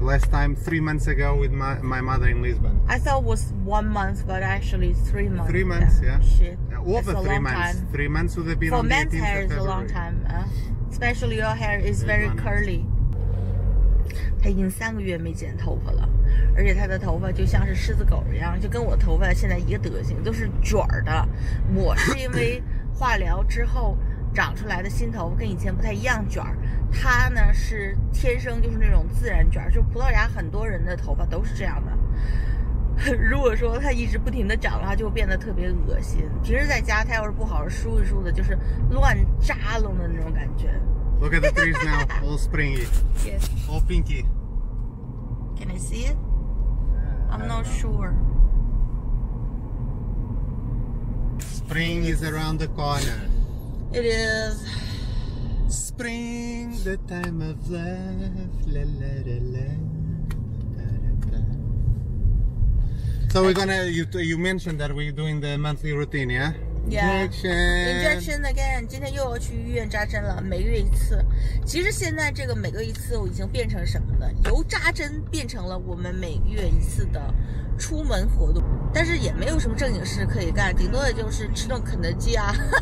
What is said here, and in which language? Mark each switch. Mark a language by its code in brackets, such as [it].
[en] Last time, 3 months ago with my mother in Lisbon. I thought it was 1 month, but actually 3 months. 3 months, yeah. Shit. Over 3 months. 3 months would have been on the 18th of February. For men's hair is a long time, Especially your hair is very curly. [zh] 他已经3个月没剪头发了，而且他的头发就像是狮子狗一样，就跟我头发现在一个德行，都是卷的。我是因为化疗之后长出来的新头发跟以前不太一样卷，他呢是天生就是那种自然卷，就葡萄牙很多人的头发都是这样的。如果说它一直不停的长的话，就会变得特别恶心。平时在家，它要是不好好梳一梳的，就是乱扎弄的那种感觉。 [en] Look at the trees now, all springy. Yes. All pinky. Can I see it? I'm not sure. Spring is around the corner. It is. spring, the time of life. La, la, la, la. So we're gonna, you mentioned that we're doing the monthly routine, yeah? Yeah. Injection again. [zh] 今天又要去医院扎针了，每个月一次。其实现在这个每个月一次已经变成什么了？由扎针变成了我们每月一次的出门活动，但是也没有什么正经事可以干，顶多的就是吃顿肯德基啊。